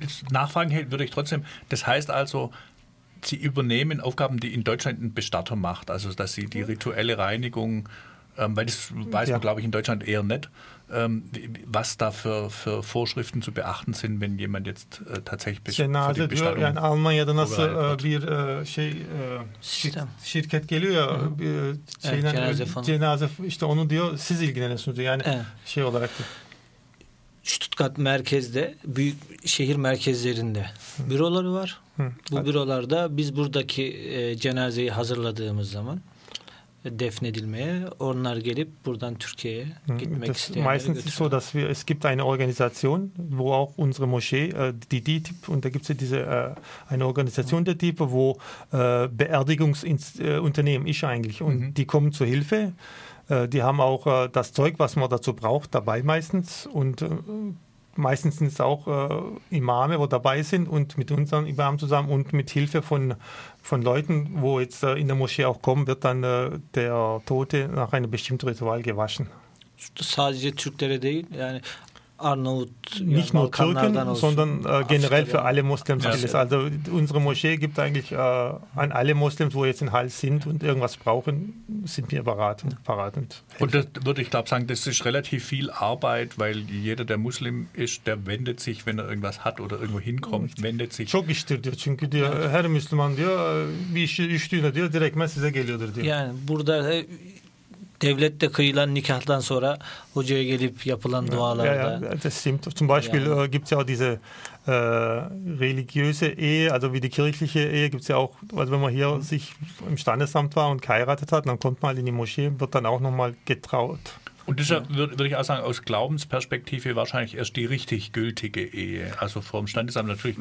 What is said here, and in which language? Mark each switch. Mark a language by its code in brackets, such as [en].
[de] Nachfragen würde ich trotzdem. Das heißt also, Sie übernehmen Aufgaben, die in Deutschland ein Bestatter macht, also dass Sie die rituelle Reinigung, weil das weiß man, glaube ich, in Deutschland eher nicht, was da für Vorschriften zu beachten sind, wenn jemand jetzt tatsächlich für die Bestattung... [tr] Yani Almanya'da nasıl bir şey şirket geliyor ya cenaze işte onu diyor, siz ilgileniyorsunuz yani şey olarak da. Stuttgart merkezde, büyük şehir merkezlerinde büroları var. Bu bürolarda biz buradaki cenazeyi hazırladığımız zaman defnedilmeye, onlar gelip buradan Türkiye'ye gitmek [de] das [tr] isteyenleri [de] meistens [tr] götürüyor. [de] So, dass wir, es gibt eine Organisation, wo auch unsere Moschee, die DİTİB, und da gibt es ja diese, eine Organisation der DİTİB, wo Beerdigungsunternehmen ist eigentlich, und die kommen zur Hilfe. Die haben auch das Zeug, was man dazu braucht, dabei meistens, und meistens sind es auch Imame, wo dabei sind und mit unseren Imamen zusammen und mit Hilfe von Leuten, wo jetzt in der Moschee auch kommen, wird dann der Tote nach einem bestimmten Ritual gewaschen. [tr] Sadece Türklere değil, yani Arnaut, [de] nicht ja, nur Türken, sondern generell für alle Moslems. Ja, also unsere Moschee gibt eigentlich an alle Moslems, wo jetzt in Hals sind und irgendwas brauchen, sind wir parat und helfen. Und das würde ich glaube sagen, das ist relativ viel Arbeit, weil jeder, der Muslim ist, der wendet sich, wenn er irgendwas hat oder irgendwo hinkommt, wendet sich. [tr] Çok istiyor çünkü diyor, her Müslüman diyor, bir işi düştüğünde diyor, direkt ben size geliyordur diyor. Yani burada devlette kıyılan nikahtan sonra hocaya gelip yapılan dualarda. [de] Ja, das stimmt. Zum Beispiel yani. Gibt es ja auch diese religiöse Ehe, also wie die kirchliche Ehe gibt es ja auch, also wenn man hier sich im Standesamt war und geheiratet hat, dann kommt man in die Moschee, wird dann auch nochmal getraut. Und das würde ich auch sagen, aus Glaubensperspektive wahrscheinlich erst die richtig gültige Ehe, also vom Standesamt natürlich